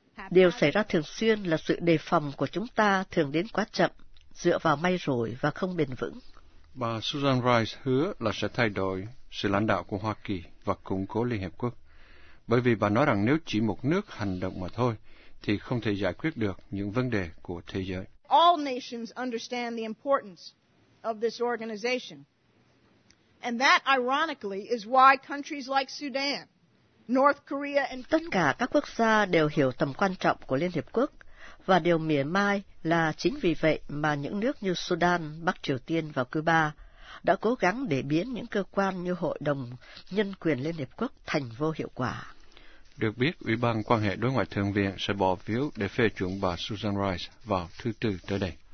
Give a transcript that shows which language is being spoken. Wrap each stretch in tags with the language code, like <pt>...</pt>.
<vi>Điều xảy ra thường xuyên là sự đề phòng của chúng ta thường đến quá chậm, dựa vào may rủi và không bền vững. Bà Susan Rice hứa là sẽ thay đổi sự lãnh đạo của Hoa Kỳ và củng cố Liên Hiệp Quốc, bởi vì bà nói rằng nếu chỉ một nước hành động mà thôi, thì không thể giải quyết được những vấn đề của thế giới.</vi> <en>All nations understand the importance of this organization. And that, ironically, is why countries like Sudan, North Korea and</en> <vi>tất cả các quốc gia đều hiểu tầm quan trọng của Liên Hiệp Quốc, và điều mỉa mai là chính vì vậy mà những nước như Sudan, Bắc Triều Tiên và Cuba đã cố gắng để biến những cơ quan như Hội đồng Nhân quyền Liên Hiệp Quốc thành vô hiệu quả. Được biết, Ủy ban Quan hệ Đối ngoại Thượng viện sẽ bỏ phiếu để phê chuẩn bà Susan Rice vào thứ Tư tới đây.</vi>